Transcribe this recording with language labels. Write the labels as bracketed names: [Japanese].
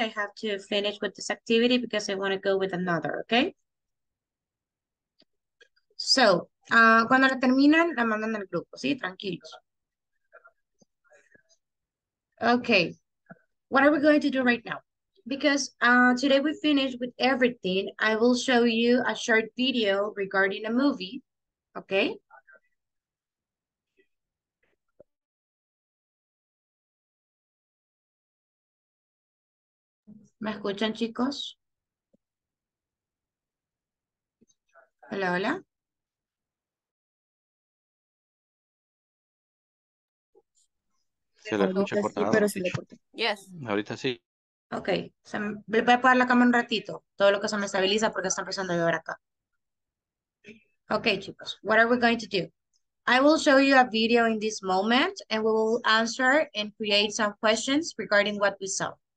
[English] I have to finish with this activity because I want to go with another, okay? So, [Spanish] cuando la terminan, la mandan al grupo, ¿sí? Tranquilos. [English] Okay, what are we going to do right now? Because today we finished with everything, I will show you a short video regarding a movie, okay? [Spanish] ¿Me escuchan, chicos? Hola, hola. Se la escucha cortada. [English] Yes. [Spanish] Ahorita sí. Ok. Le voy a apagar la cámara un ratito. Todo lo que se me estabiliza porque está empezando a llover acá. [English] Ok, chicos. What are we going to do? I will show you a video in this moment and we will answer and create some questions regarding what we saw.